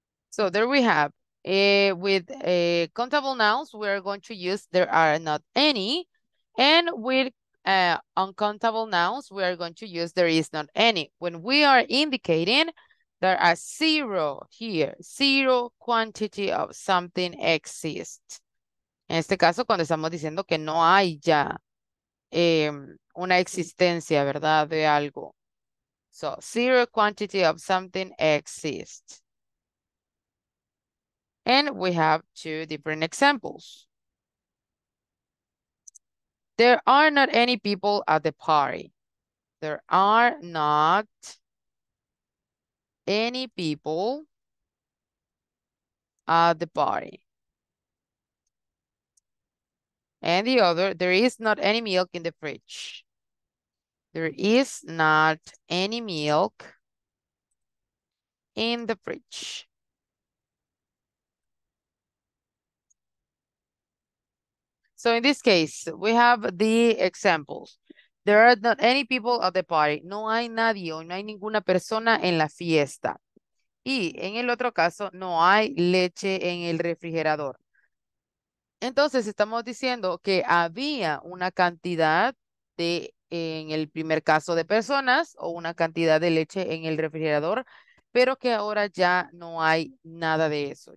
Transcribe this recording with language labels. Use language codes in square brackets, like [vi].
[en] So there we have. With countable nouns, we're going to use there are not any. And with uncountable nouns, we are going to use there is not any. When we are indicating there are zero here, zero quantity of something exists. [es] En este caso, cuando estamos diciendo que no hay ya una existencia, ¿verdad?, de algo. [en] So, zero quantity of something exists. And we have two different examples. There are not any people at the party. There are not any people at the party. And the other, there is not any milk in the fridge. There is not any milk in the fridge. So in this case, we have the examples. There are not any people at the party. [es] No hay nadie o no hay ninguna persona en la fiesta. Y en el otro caso, no hay leche en el refrigerador. Entonces estamos diciendo que había una cantidad de, en el primer caso, de personas o una cantidad de leche en el refrigerador, pero que ahora ya no hay nada de eso.